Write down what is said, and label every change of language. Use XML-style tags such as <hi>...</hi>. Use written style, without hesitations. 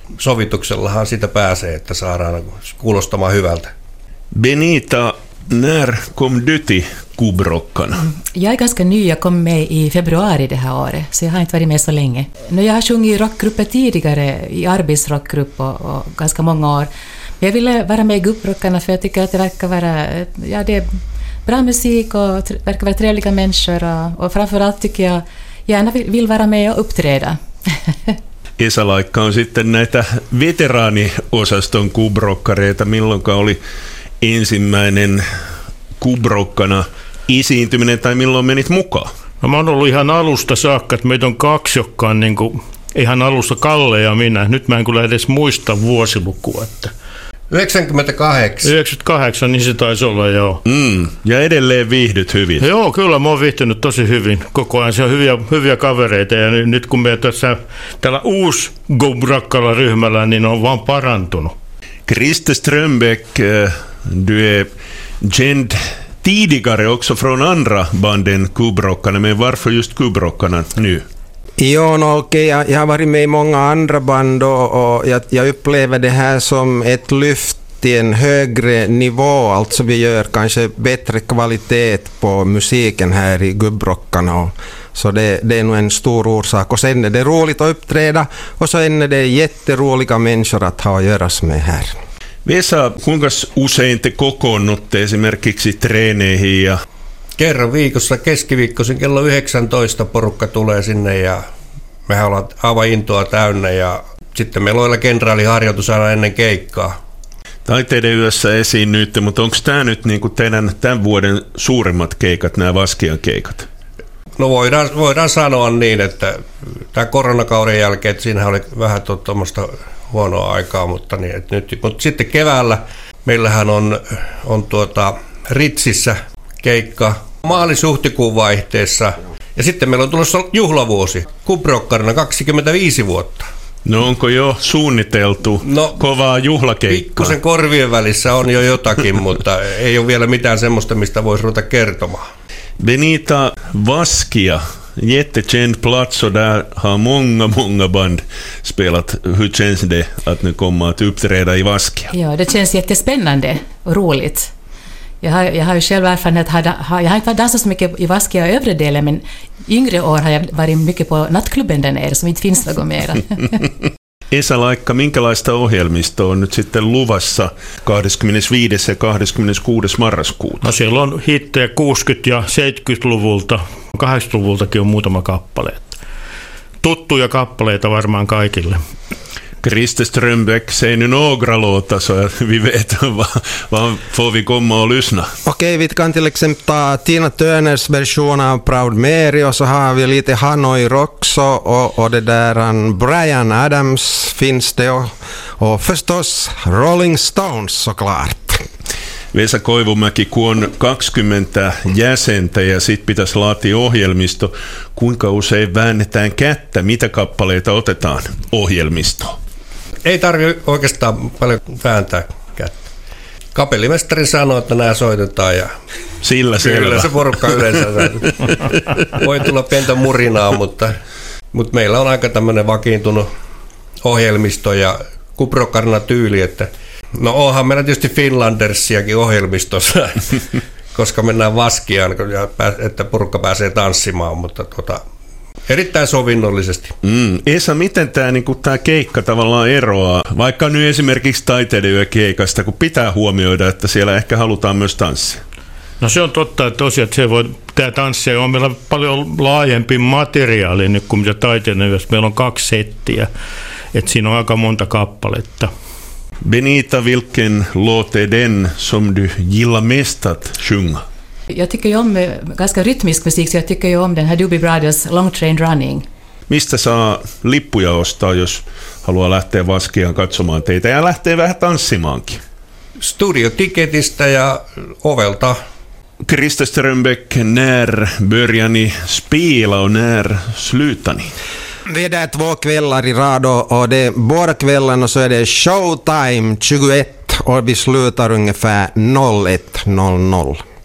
<fi>Sovituksellahan sitä pääsee, että saadaan kuulostamaan hyvältä.</fi> <sv>Benita, när kom du till kubrockarna? Jag är ganska ny, jag kom med i februari det här året, så jag har inte varit med så länge. No, jag har sjungit i rockgrupper tidigare, i arbetsrockgrupp och ganska många år. Jag ville vara med i kubrockarna för jag tycker att det verkar vara, ja, det är bra musik och verkar vara trevliga människor. Och framförallt tycker jag gärna vill vara med och uppträda.</sv> <fi>Esa Laikka on sitten näitä veteraaniosaston kubrokkareita. Milloinka oli ensimmäinen kubrokkana esiintyminen tai milloin menit mukaan? No, mä oon ollut ihan alusta saakka, että meitä on kaksi, jotka on niin kuin, ihan alusta Kalle ja minä. Nyt mä en kyllä edes muista vuosilukua. Että 98, niin se taisi olla, joo. Mm. Ja edelleen viihdyt hyvin. Joo, kyllä, mä oon viihtynyt tosi hyvin koko ajan. Se on hyviä kavereita, ja nyt kun me tässä tällä uusi Gubrakkala ryhmällä, niin on vaan parantunut.</fi> <sv>Kriste Strömbäck, du är känd tidigare också från andra banden Gubrakkana, men varför just Gubrakkana nu? Jo, no, okay. Jag har varit med i många andra band och jag upplever det här som ett lyft till en högre nivå. Alltså vi gör kanske bättre kvalitet på musiken här i Gubbrockarna. Så det är nog en stor orsak. Och sen är det roligt att uppträda och sen är det jätteroliga människor att ha att göra med här.</sv> <fi>Vesa, kuinka usein te kokoonnutte esimerkiksi treeneihin ja... Kerran viikossa keskiviikkoisin kello 19 porukka tulee sinne ja mehän ollaan aivan intoa täynnä ja sitten meillä on vielä kenraaliharjoitus aina ennen keikkaa. Taiteiden yössä esiin nyt, mutta onko tämä nyt niin kuin teidän tämän vuoden suurimmat keikat, nämä Vaskian keikat? No voidaan sanoa niin, että tämä koronakauden jälkeen, että siinähän oli vähän tuommoista huonoa aikaa, mutta, niin, että nyt, mutta sitten keväällä meillähän on Ritsissä keikka maalis-huhtikuun vaihteessa. Ja sitten meillä on tulossa juhlavuosi, Gubrakkarna 25 vuotta. No onko jo suunniteltu kovaa juhlakeikkaa? Pikkusen korvien välissä on jo jotakin, mutta ei ole vielä mitään semmoista, mistä voisi ruveta kertomaan.</fi> <sv>Benita, Vaskia, jättekänd plats, och där har många, många band spelat. Hur känns det att ni kommer att uppträda i Vaskia? Ja, det känns jättespännande och roligt. Jag har ju själv erfarenhet, jag har inte dansat så mycket i Vaskia och övre delen, men yngre år har jag varit mycket på nattklubben där nere, som inte finns något mer.</sv> <fi>Esa Laikka, minkälaista ohjelmista on nyt sitten luvassa 25. ja 26. marraskuuta? No siellä on hittejä 60- ja 70-luvulta, 80-luvultakin on muutama kappale. Tuttuja kappaleita varmaan kaikille.</fi> <sv>Kriste Strömbäck, säg nu några låtar så att vi vet vad får vi komma och lyssna. Okej, vi kan till exempel ta Tina Turners version av Proud Mary och så har vi lite Hanoi Rocks och det där Brian Adams finns det och förstås Rolling Stones såklart.</sv> <fi>Vesa Koivumäki, kun on 20 jäsentä ja sit pitäisi laatia ohjelmisto, kuinka usein väännetään kättä, mitä kappaleita otetaan ohjelmistoon? Ei tarvitse oikeastaan paljon vääntää kättä. Kapellimestari sanoo, että nämä soitetaan ja sillä selvä. Kyllä se porukka yleensä voi tulla pientä murinaa, mutta meillä on aika tämmöinen vakiintunut ohjelmisto ja kubrokkarna tyyli, että no onhan meillä tietysti Finlandersiakin ohjelmistossa, koska mennään Vaskiaan, että porukka pääsee tanssimaan, mutta erittäin sovinnollisesti. Mm. Esa, miten tämä keikka tavallaan eroaa, vaikka nyt esimerkiksi taiteiden yökeikasta, kun pitää huomioida, että siellä ehkä halutaan myös tanssia? No se on totta, että tosiaan tämä tanssi on meillä paljon laajempi materiaali nyt kuin mitä taiteiden yössä. Meillä on kaksi settiä, että siinä on aika monta kappaletta.</fi> <sv>Benita, vilken låt är den som du gillar mest att sjunga? Jag tycker ju om ganska rytmisk musik, så jag tycker ju om den här Doobie Brothers Long Train Running.</sv> <fi>Mistä saa lippuja ostaa, jos haluaa lähteä Vaskiaan katsomaan teitä ja lähtee vähän tanssimaankin? Studiotiketistä ja ovelta.</fi> <sv>Krista Strömbäck, när börjar ni spela och när slutar ni? Vi är där två kvällar i rad och det är båda kvällarna, så är det showtime 21 och vi slutar ungefär 01.00.</sv>